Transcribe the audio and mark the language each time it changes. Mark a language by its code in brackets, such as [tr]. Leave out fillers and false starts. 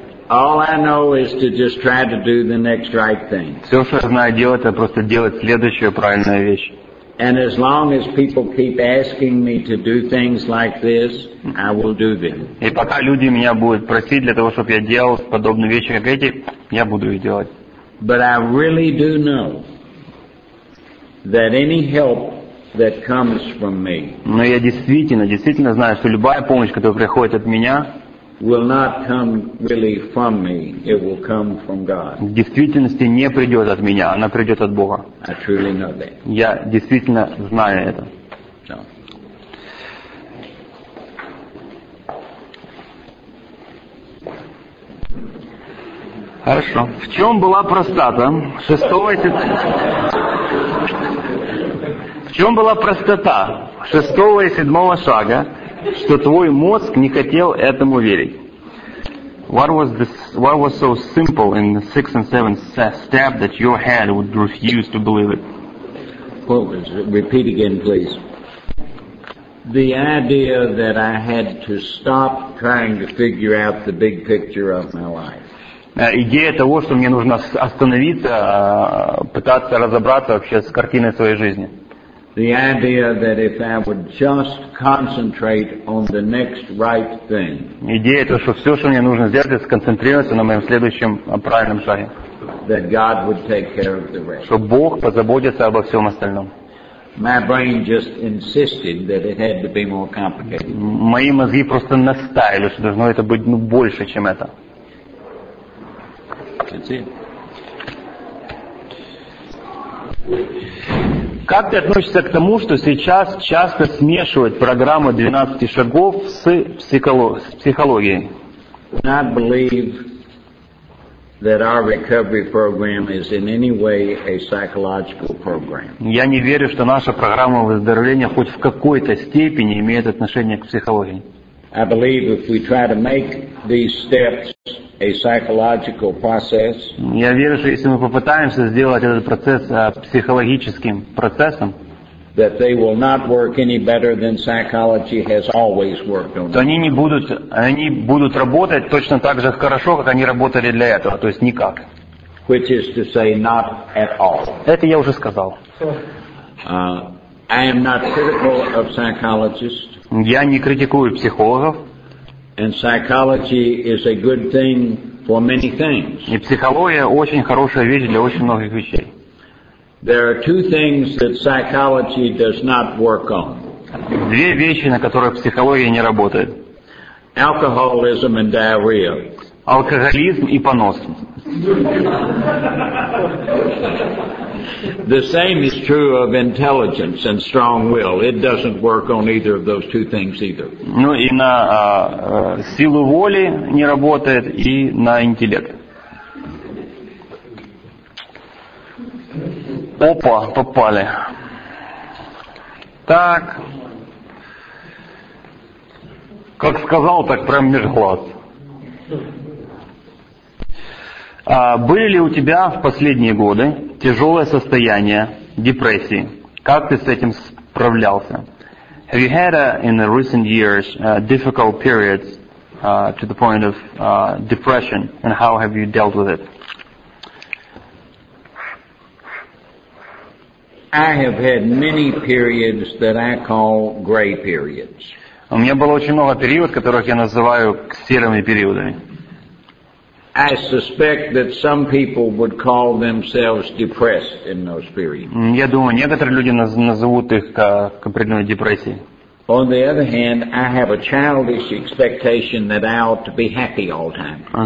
[en] All I know is to just try to do the next right thing. [ru] Все, что я знаю делать, это просто делать следующую правильную вещь. [en] And as long as people keep asking me to do things like this, I will do them. [ru] И пока люди меня будут просить для того, чтобы я делал подобные вещи, как эти, я буду их делать. [en] But I really do know that any help that comes from me. [ru] Но я действительно знаю, что любая помощь, которая приходит от меня, [en] will not come really from me. It will come from God. [ru] В действительности не придет от меня, она придет от Бога. [en] I truly know that. [ru] Я действительно знаю это. [en] No. [ru] Хорошо. В чем была простота? В чем была простота шестого и седьмого шага, что твой мозг не хотел этому верить? [en] What was so simple in the sixth and seventh step that your head would refuse to believe it? What was it? Repeat again, please. The idea that I had to stop trying to figure out the big picture of my life. [ru] Идея того, что мне нужно остановиться, пытаться разобраться вообще с картиной своей жизни. [en] The idea that if I would just concentrate on the next right thing. [ru] Идея то, что все, что мне нужно сделать, это сконцентрироваться на моем следующем правильном шаге. [en] That God would take care of the rest. [ru] Что Бог позаботится обо всем остальном. [en] My brain just insisted that it had to be more complicated. [ru] Мои мозги просто настаивали, что должно это быть больше, чем это. [en] That's it. [ru] Как ты относишься к тому, что сейчас часто смешивают программу 12 шагов с психологией? [en] I believe that our recovery program is in any way a psychological program. [ru] Я не верю, что наша программа выздоровления хоть в какой-то степени имеет отношение к психологии. [en] I believe if we try to make these steps a psychological process, [ru] я верю, что если мы попытаемся сделать этот процесс психологическим процессом, [en] that they will not work any better than psychology has always worked on. [ru] То они будут работать точно так же хорошо, как они работали для этого, то есть никак. [en] Which is to say, not at all. [ru] Это я уже сказал. [en] I am not critical of psychologists. [ru] Я не критикую психологов. [en] And psychology is a good thing for many things. [ru] И психология очень хорошая вещь для очень многих вещей. [en] There are two things that psychology does not work on. [ru] Две вещи, на которых психология не работает. [en] Alcoholism and diarrhea. [ru] Алкоголизм и понос. [en] The same is true of intelligence and strong will. It doesn't work on either of those two things either. [ru] Ну и на силу воли не работает и на интеллект. Опа, попали. Так. Как сказал, так прям меж глаз. Были ли у тебя в последние годы тяжелое состояние депрессии? Как ты с этим справлялся? [en] Have you had in the recent years difficult periods to the point of depression, and how have you dealt with it? I have had many periods that I call gray periods. [ru] У меня было очень много периодов, которых я называю серыми периодами. [en] I suspect that some people would call themselves depressed in those periods. [ru] Я думаю, некоторые люди назовут их как определенной депрессией. [en] On the other hand, I have a childish expectation that I ought to be happy all the time.